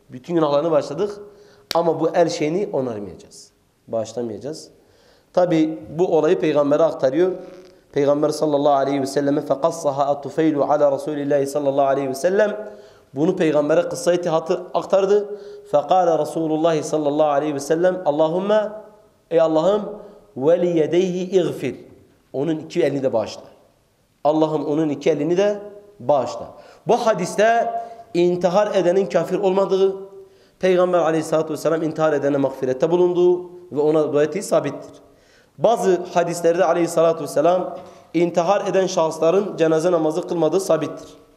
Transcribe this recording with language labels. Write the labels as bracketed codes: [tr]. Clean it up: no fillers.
[tr] Bütün günahlarını bağışladık ama bu el şeyini onarmayacağız. Bağışlamayacağız. Tabi bu olayı peygambere aktarıyor. Peygamber sallallahu aleyhi ve selleme [ar] فَقَصَّهَا اَتُفَيْلُ عَلَى رَسُولِ اللّٰهِ صَلَّى اللّٰهِ عَلَيْهِ وَسَلَّمْ [tr] Bunu peygambere kıssa eti aktardı. [ar] فَقَالَ رَسُولُ اللّٰهِ صَلَّى اللّٰهِ عَلَيْهِ وَسَلَّمْ اللّٰهُمَّ [tr] Ey Allah'ım [ar] وَلِيَدَيْهِ اِغْفِرْ [tr] Onun iki elini de bağışla. Allah'ım onun iki elini de bağışla. Bu hadiste intihar edenin kafir olmadığı, Peygamber aleyhissalatü vesselam intihar edene mağfirette bulunduğu ve ona duayeti sabittir. Bazı hadislerde aleyhissalatü vesselam intihar eden şahısların cenaze namazı kılmadığı sabittir.